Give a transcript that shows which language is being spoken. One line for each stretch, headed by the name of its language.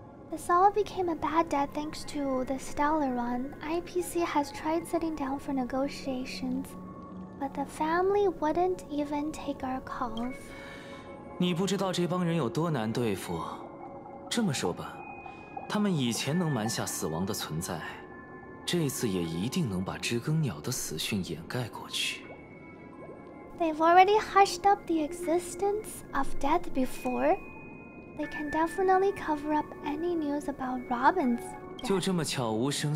English: This all became a bad debt thanks to the Stellaron. IPC has tried sitting down for negotiations, but the family wouldn't even take our calls.
Chinese: 你不知道这帮人有多难对付。这么说吧，他们以前能瞒下死亡的存在，这次也一定能把知更鸟的死讯掩盖过去。
English: They've already hushed up the existence of death before. They can definitely cover up any news about Robin's death.